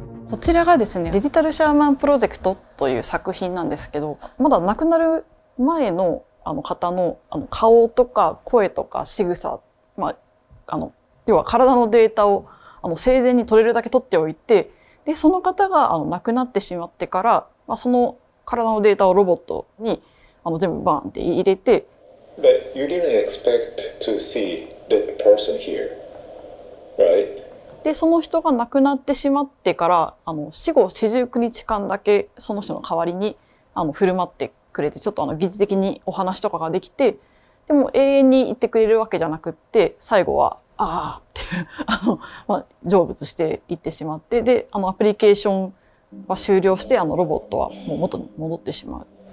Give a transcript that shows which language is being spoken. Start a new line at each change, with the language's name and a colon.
Japanese: こちらがですね、デジタルシャーマンプロジェクトという作品なんですけど、まだ亡くなる前の、あの方の、あの顔とか声とか仕草、まあ、あの要は体のデータをあの生前に取れるだけ取っておいて、でその方があの亡くなってしまってから、まあ、その体のデータをロボットにあの全部バーンって入れて。
English: But you didn't expect to see the person here, right?
Japanese: で、その人が亡くなってしまってから、あの死後49日間だけその人の代わりにあの振る舞ってくれて、ちょっとあの疑似的にお話とかができて、でも永遠にいてくれるわけじゃなくって、最後は、ああってあの、まあ、成仏していってしまって、で、あのアプリケーションは終了して、あのロボットはもう元に戻ってしまう。